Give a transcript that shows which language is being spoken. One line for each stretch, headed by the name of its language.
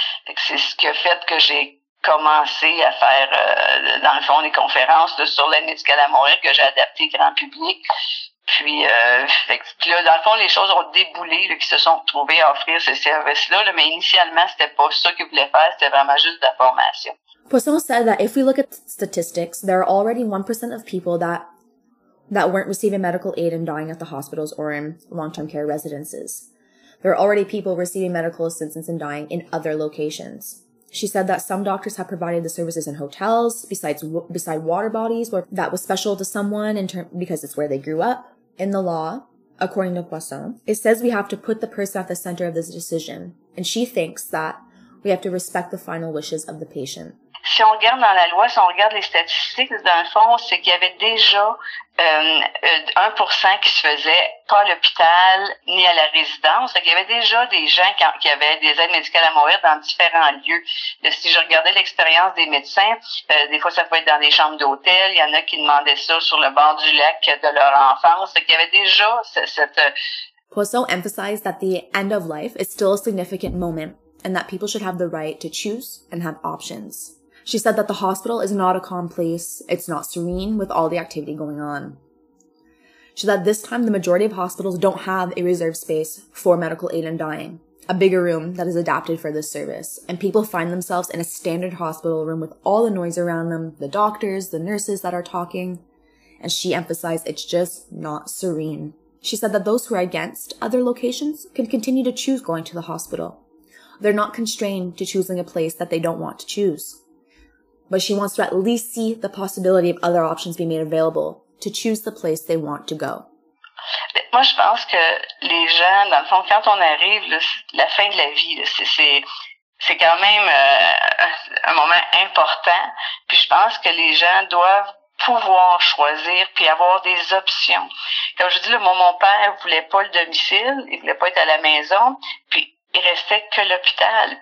French: Fait que c'est ce qui a fait que j'ai commencé à faire, dans le fond, des conférences sur l'aide médicale à mourir que j'ai adaptées grand public. Puis, fait que là, dans le fond, les choses ont déboulé, là, qui se sont retrouvées à offrir ce service-là, là, mais initialement, c'était pas ça qu'ils voulaient faire, c'était vraiment juste de la formation.
English: Poisson said that if we look at statistics, there are already 1% of people that weren't receiving medical aid and dying at the hospitals or in long-term care residences. There are already people receiving medical assistance and dying in other locations. She said that some doctors have provided the services in hotels beside water bodies where that was special to someone because it's where they grew up. In the law, according to Poisson, it says we have to put the person at the center of this decision. And she thinks that we have to respect the final wishes of the patient.
French: si on regarde dans la loi, si on regarde les statistiques, dans le fond, c'est qu'il y avait déjà 1% qui se faisait pas à l'hôpital ni à la résidence. Donc, il y avait déjà des gens qui avaient des aides médicales à mourir dans différents lieux. Si je regardais l'expérience des médecins, des fois, ça pouvait être dans des chambres d'hôtel. Il y en a qui demandaient ça sur le bord du lac de leur enfance. Donc, il y avait déjà cette...
English: Poisson emphasized that the end of life is still a significant moment and that people should have the right to choose and have options. She said that the hospital is not a calm place, it's not serene with all the activity going on. She said this time the majority of hospitals don't have a reserved space for medical aid and dying, a bigger room that is adapted for this service, and people find themselves in a standard hospital room with all the noise around them, the doctors, the nurses that are talking, and she emphasized it's just not serene. She said that those who are against other locations can continue to choose going to the hospital. They're not constrained to choosing a place that they don't want to choose. But she wants to at least see the possibility of other options be made available to choose the place they want to go.
French: Moi, je pense que les gens, dans le fond, quand on arrive, la fin de la vie, c'est quand même un moment important. Puis je pense que les gens doivent pouvoir choisir puis avoir des options. Comme je dis, là, mon père voulait pas le domicile, il voulait pas être à la maison, puis il restait que l'hôpital.